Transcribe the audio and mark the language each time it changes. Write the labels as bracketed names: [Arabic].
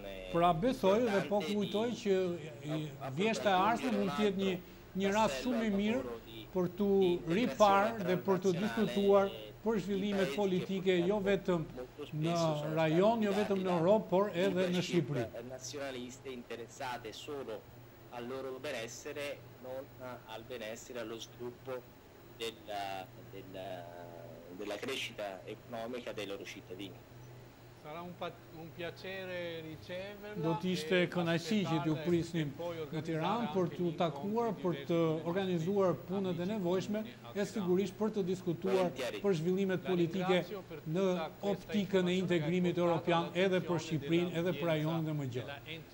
[Albanian] Pra besoj dhe po kujtoj që vjeshta e ardhshme mund të jetë një rast shumë i mirë për të riparë dhe për të diskutuar për zhvillime politike jo vetëm në rajon, jo vetëm në Europë, por edhe në Shqipëri. [Italian] Nacionaliste interessate solo al loro benessere, non al benessere, allo sviluppo della crescita economica dei loro cittadini. Sarà un piacere riceverla. [Albanian] Do t'ishte kënaqësi që t'ju prisnim në Tiranë për t'u takuar, për të organizuar punët e nevojshme e sigurisht për të diskutuar për zhvillimet politike në optikën e integrimit evropian edhe për Shqipërinë, edhe për rajonin dhe më gjatë.